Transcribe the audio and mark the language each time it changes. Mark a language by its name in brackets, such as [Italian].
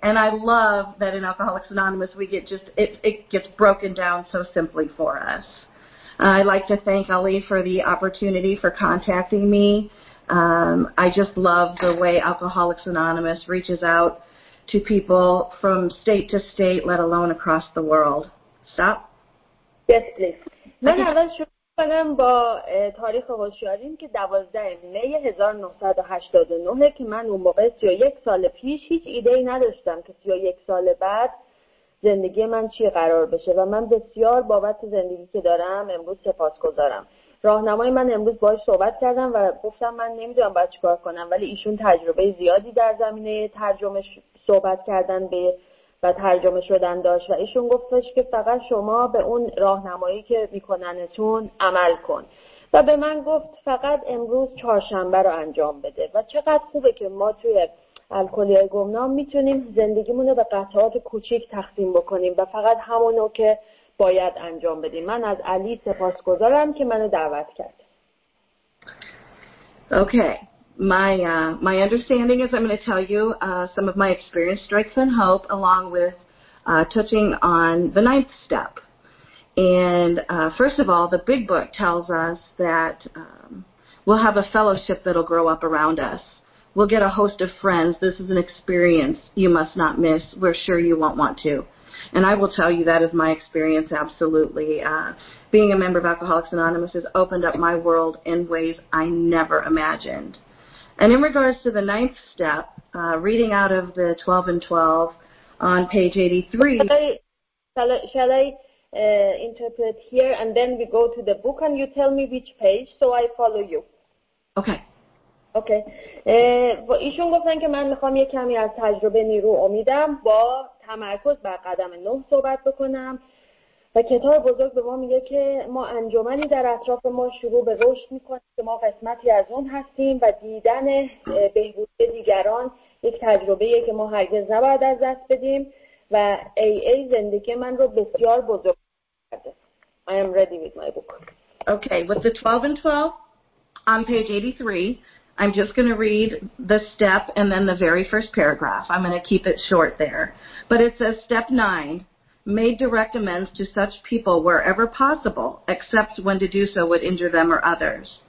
[English] And I love that in Alcoholics Anonymous we get just, it gets broken down so simply for us. I'd like to thank Ali for the opportunity for contacting me. I just love the way Alcoholics Anonymous reaches out to people from state to state, let alone across the world. Stop. Yes, please. [Persian] کنم با تاریخ هوشیاریم که 12 می 1989 که من اون موقع 31 سال پیش هیچ ایده‌ای نداشتم که 31 سال بعد زندگی من چی قرار بشه، و من بسیار بابت زندگی که دارم امروز سپاسگزارم. راهنمای من امروز باهاش صحبت کردم و گفتم من نمیدونم باید چیکار کنم، ولی ایشون تجربه زیادی در زمینه ترجمه صحبت کردن به و ترجمه شدن داشت، و ایشون گفتش که فقط شما به اون راهنمایی که میکننتون عمل کن، و به من گفت فقط امروز چهارشنبه رو انجام بده. و چقدر خوبه که ما توی الکلی گمنام میتونیم زندگیمون رو به قطعات کوچیک تقسیم بکنیم و فقط همونو که باید انجام بدیم. من از علی سپاسگزارم که منو دعوت کرد. [English] Okay. My understanding is I'm going to tell you some of my experience, strikes, and hope, along with touching on the ninth step. And first of all, the Big Book tells us that we'll have a fellowship that'll grow up around us. We'll get a host of friends. This is an experience you must not miss. We're sure you won't want to. And I will tell you that is my experience, absolutely. Being a member of Alcoholics Anonymous has opened up my world in ways I never imagined. And in regards to the ninth step, reading out of the 12 and 12 on page 83. Shall I interpret here and then we go to the book and you tell me which page so I follow you? Okay. Okay. [Persian] ایشون گفتن که من میخوام یک کمی از تجربه نیرو امیدم با تمرکز بر قدم 9 صحبت بکنم. و کتاب بزرگ به ما میگه که ما انجمنی در اطراف ما شروع به رشد میکنیم که ما قسمتی از اون هستیم، و دیدن بهبودی دیگران یک تجربهیه که ما هرگز نباید از دست بدیم، و AA زندگی من رو بسیار بزرگ کرده. [English] I am ready with my book. Okay, with the 12 and 12 on page 83, I'm just going to read the step and then the very first paragraph. I'm going to keep it short there. But it says step 9. Made direct amends to such people wherever possible, except when to do so would injure them or others.